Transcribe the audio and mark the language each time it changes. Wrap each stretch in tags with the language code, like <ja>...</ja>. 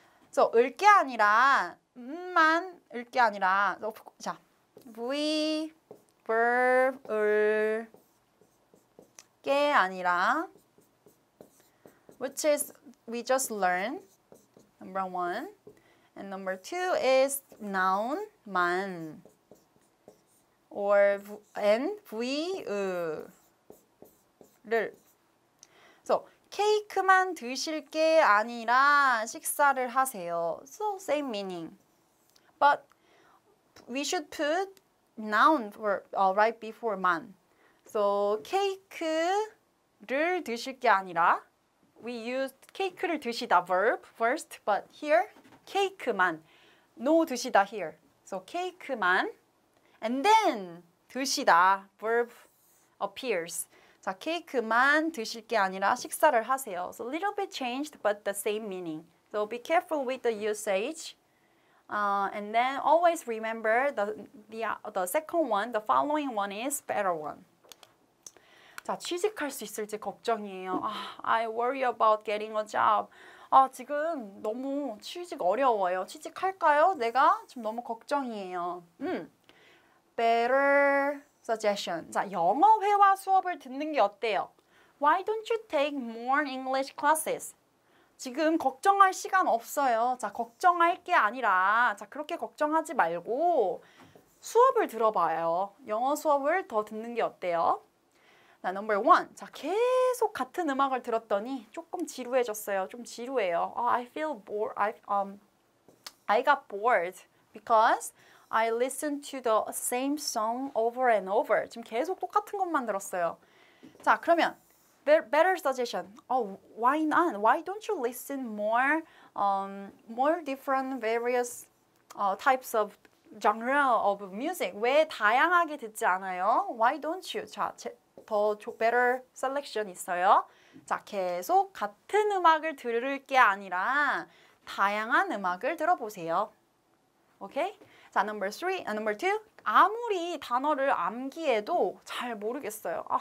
<en>So, 을 게 아니라, 만, 을 게 아니라, 자, we, verb, 을, 게 아니라, which is, we just learned, number one, and number two is noun, 만, or, and, we, 를.</en> <ko>So, 케이크만 드실 게 아니라 식사를 하세요.</ko> <en>So, same meaning. But we should put noun for, right before man. So,</en> <ko>케이크를 드실 게 아니라</ko> <en>we used 케이크를 드시다 verb first, but here 케이크만. No 드시다 here. So, 케이크만 and then 드시다 verb appears.</en> <ko>자, 케이크만 드실 게 아니라 식사를 하세요.</ko> <en>So, a little bit changed, but the same meaning. So, be careful with the usage. And then, always remember the second one, the following one is better one.</en> <ko>자, 취직할 수 있을지 걱정이에요.</ko> <en>I worry about getting a job.</en> <ko>아, 지금 너무 취직 어려워요. 취직할까요? 내가 지금 너무 걱정이에요.</ko> <en>better suggestion.</en> <ko>자, 영어 회화 수업을 듣는 게 어때요?</ko> <en>Why don't you take more English classes?</en> <ko>지금 걱정할 시간 없어요. 자, 걱정할 게 아니라 자, 그렇게 걱정하지 말고 수업을 들어봐요. 영어 수업을 더 듣는 게 어때요?</ko> <en>자, number one.</en> <ko>자, 계속 같은 음악을 들었더니 조금 지루해졌어요. 좀 지루해요.</ko> <en>I feel bored. I got bored because I listened to the same song over and over.</en> <ko>지금 계속 똑같은 것만 들었어요. 자, 그러면</ko> <en>better suggestion. Oh, why not? Why don't you listen more, more different various types of genre of music?</en> <ko>왜 다양하게 듣지 않아요?</ko> <en>Why don't you? 자, 더 better selection 있어요.</en> <ko>자, 계속 같은 음악을 들을 게 아니라 다양한 음악을 들어보세요.</ko> <en>Okay? 자, number three, number two.</en> <ko>아무리 단어를 암기해도 잘 모르겠어요.</ko>